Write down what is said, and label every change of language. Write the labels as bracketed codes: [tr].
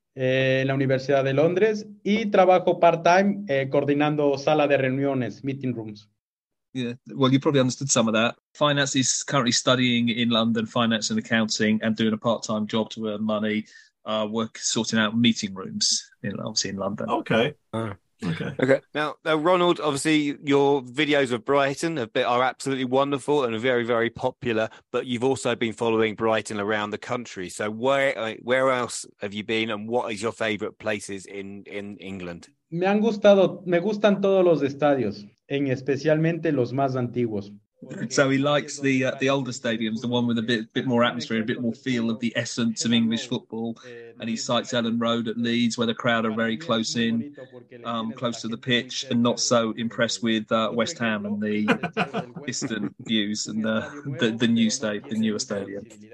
[es] En la Universidad de Londres y trabajo part-time coordinando sala de reuniones, [en] meeting rooms. Yeah, well, you probably understood some of that. Finance is currently studying in London, finance and accounting, and doing a part-time job to earn money, work sorting out meeting rooms, obviously in London. Okay. Okay. Now, Ronald, obviously your videos of Brighton are absolutely wonderful and very, very popular, but you've also been following Brighton around the country. So where else have you been, and what is your favorite places in England? [es] Me gustan todos los estadios, en especialmente los más antiguos. [en] So he likes the older stadiums, the one with a bit more atmosphere, a bit more feel of the essence of English football. And he cites Elland Road at Leeds, where the crowd are very close in, close to the pitch, and not so impressed with West Ham and the distant views and the newer stadium.